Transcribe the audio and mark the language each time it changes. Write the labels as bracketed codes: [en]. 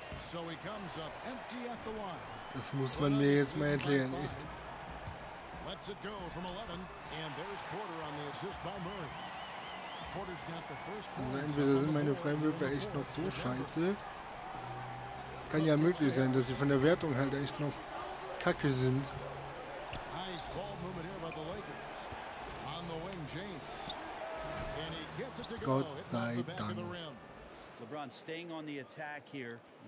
[en] So he comes up empty at the line. [de] Das muss man mir jetzt mal erklären, echt. [en] Let's it go from 11, and there's Porter on the assist by Murray. Porter's got the first point. [de] Also entweder sind meine Freiwürfe echt noch so scheiße. Kann ja möglich sein, dass sie von der Wertung halt echt noch kacke sind. [en] Nice ball movement here by the Lakers. On the wing, James. And he gets it to go. [de] Gott sei Dank. [en] LeBron staying on the attack here.